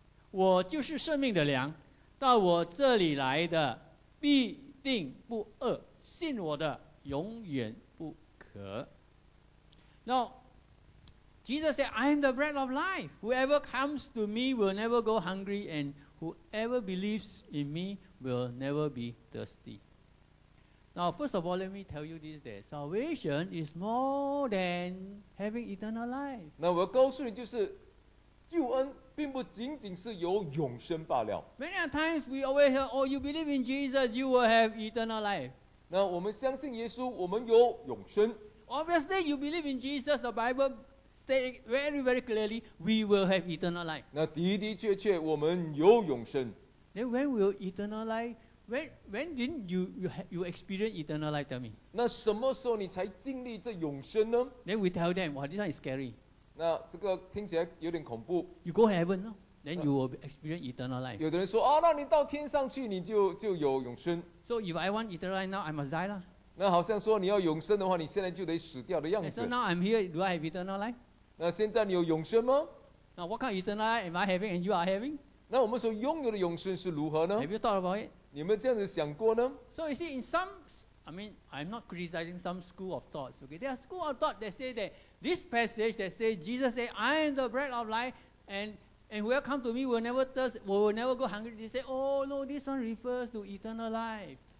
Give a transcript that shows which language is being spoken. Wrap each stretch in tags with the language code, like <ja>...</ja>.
<zh>我就是生命的粮，到我这里来的必定不饿，信我的永远不渴。</zh> <en>Now, Jesus said, I am the bread of life. Whoever comes to me will never go hungry, and Whoever believes in me will never be thirsty. Now, first of all, let me tell you this, that salvation is more than having eternal life.</en> <zh>那我要告诉你就是, 救恩并不仅仅是有永生罢了。</zh> <en>Many times we always hear, oh, you believe in Jesus, you will have eternal life.</en> <zh>那我们相信耶稣, 我们有永生。</zh> <en>Obviously, you believe in Jesus, the Bible states very, very clearly, we will have eternal life.</en> <zh>那的的确确, 我们有永生。</zh> <en>Then when will eternal life? When didn't you experience eternal life, tell me?</en> <zh>那什么时候你才经历这永生呢?</zh> <en>Then we tell them, wow, this one is scary.</en> <zh>那这个听起来有点恐怖。</zh> <en>You go heaven, no? Then you will experience eternal life.</en> <zh>有的人说, 哦, 那你到天上去, 你就有永生。</zh> <en>So if I want eternal life now, I must die, lah.</en> <zh>那好像说你要永生的话, 你现在就得死掉的样子。</zh> <en>So now I'm here, do I have eternal life?</en> <zh>那现在你有永生吗?</zh> <en>Now what kind of eternal life am I having and you are having?</en> <zh>那我们所拥有的永生是如何呢?</zh> <en>Have you thought about it?</en> <zh>你们这样子想过呢?</zh> <en>So you see, in some, I mean, I'm not criticizing some school of thoughts. Okay, there are school of thought that say that this passage that say Jesus say, "I am the bread of life, and whoever come to me will never thirst, will never go hungry." They say, "Oh no, this one refers to eternal life."</en>